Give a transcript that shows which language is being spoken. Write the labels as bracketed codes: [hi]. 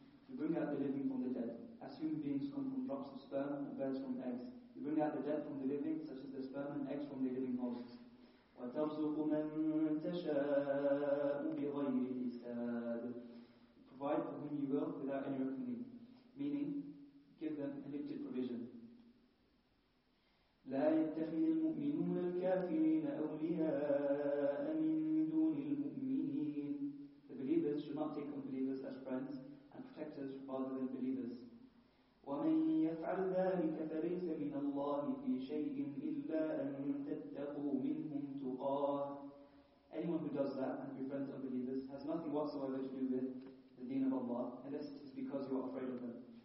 [en] You bring out the living from the dead. As human beings come from drops of sperm and birds from eggs, you bring out the dead from the living, such as the sperm and eggs from the living hosts. [ar] وَتَرْزُقُ مَنْ تَشَاءُ بِغَيْرِ حِسَابٍ. [en] Provide for whom you will without any reckoning. Meaning, give them unlimited provision. [ar] لا يتخذ المؤمنون الكافرين أولياء من دون المؤمنين. [en] The believers should not take unbelievers as friends and protect us rather than believers. [ar] وَمَنْ يَفْعَلْ ذَلِكَ فَلَيْسَ مِنَ اللَّهِ فِي شَيْءٍ إِلَّا أَنْ تَتَّقُوا مِنْهُمْ تُقَاهُ. [en] Anyone who does that and befriends unbelievers has nothing whatsoever to do with the deen of Allah, unless it's because you are afraid of them.